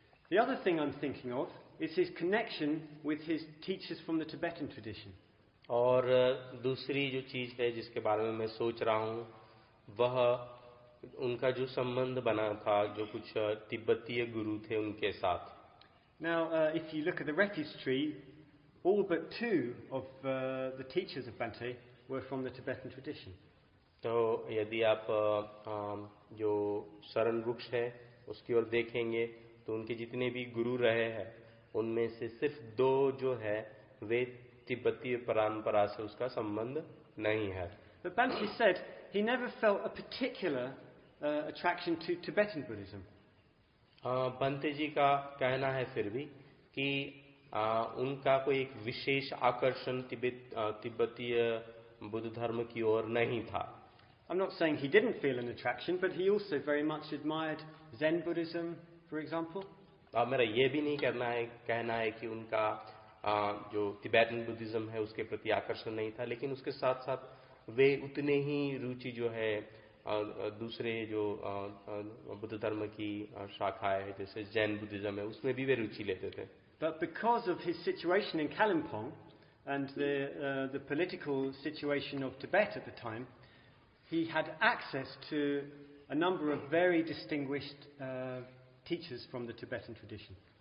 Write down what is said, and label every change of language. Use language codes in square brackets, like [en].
[en] The other thing I'm thinking of is his connection with his teachers from the Tibetan tradition. [hi] और दूसरी जो चीज है जिसके बारे में मैं सोच रहा हूँ वह उनका जो संबंध बना था जो कुछ तिब्बतीय गुरु थे उनके साथ. [en] Now, if you look at the registry, all but two of the teachers of Bante were from the Tibetan tradition. [hi] तो यदि आप जो शरण वृक्ष है उसकी ओर देखेंगे तो उनके जितने भी गुरु रहे हैं उनमें से सिर्फ दो जो है वे तिब्बती परंपरा से उसका संबंध नहीं है. [en] But Bante said he never felt a particular attraction to Tibetan Buddhism. [hi] Bante जी का कहना है फिर भी कि उनका कोई एक विशेष आकर्षण तिब्बतीय बुद्ध धर्म की ओर नहीं था. [en] I'm not saying he didn't feel an attraction, but he also very much admired Zen Buddhism, for example. [hi] मेरा ये भी नहीं कहना है कि उनका जो तिब्बतन बुद्धिज्म है उसके प्रति आकर्षण नहीं था लेकिन उसके साथ साथ वे उतने ही रुचि जो है दूसरे जो बुद्ध धर्म की शाखाएं है जैसे जैन बुद्धिज्म है उसमें भी वे रुचि लेते थे. [en] But because of his situation in Kalimpong, and the political situation of Tibet at the time, he had access to a number of very distinguished teachers from the Tibetan tradition.